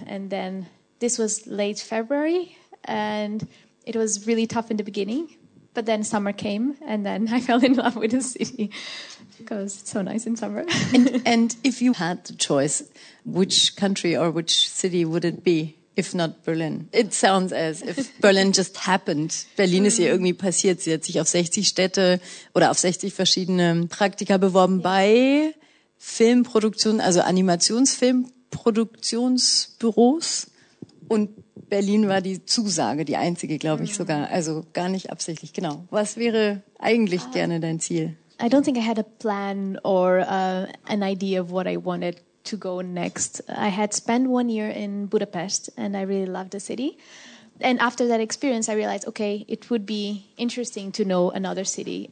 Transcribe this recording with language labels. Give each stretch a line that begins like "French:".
English: And then this was late February and it was really tough in the beginning, but then summer came and then I fell in love with the city because it's so nice in summer. And if you had the choice, which country or which city would it be? If not Berlin. It sounds as if Berlin just happened.
German: Berlin ist ihr irgendwie passiert. Sie hat sich auf 60 Städte oder auf 60 verschiedene Praktika beworben bei Filmproduktionen, also Animationsfilmproduktionsbüros. Und Berlin war die Zusage, die einzige, glaube ich sogar. Also gar nicht absichtlich, genau. Was wäre eigentlich gerne dein Ziel?
English: I don't think I had a plan or an idea of what I wanted to go next. I had spent 1 year in Budapest and I really loved the city. And after that experience, I realized, okay, it would be interesting to know another city.